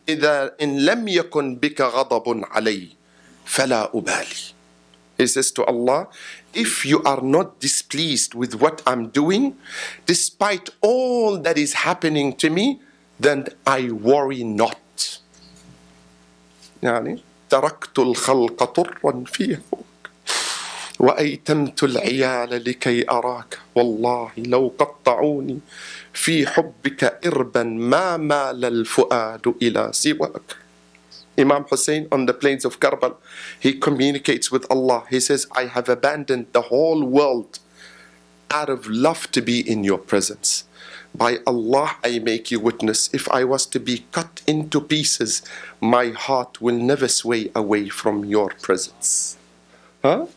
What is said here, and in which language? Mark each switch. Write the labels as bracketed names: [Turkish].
[Arabic] إِذَا إِن لَمْ يَكُن بِكَ غَضَبٌ عَلَيْهِ فَلَا أُبَالِي. [English] He says to Allah, if you are not displeased with what I'm doing, despite all that is happening to me, then I worry not. [Arabic] يعني تركت الخلق طرا فيه وأيتمت العيال لكي أراك والله لو قطعوني في حبك إربا ما مال الفؤاد إلى سواك. [English] Imam Hussein on the plains of Karbala, he communicates with Allah. He says, I have abandoned the whole world out of love to be in your presence. By Allah, I make you witness. If I was to be cut into pieces, my heart will never sway away from your presence. Huh?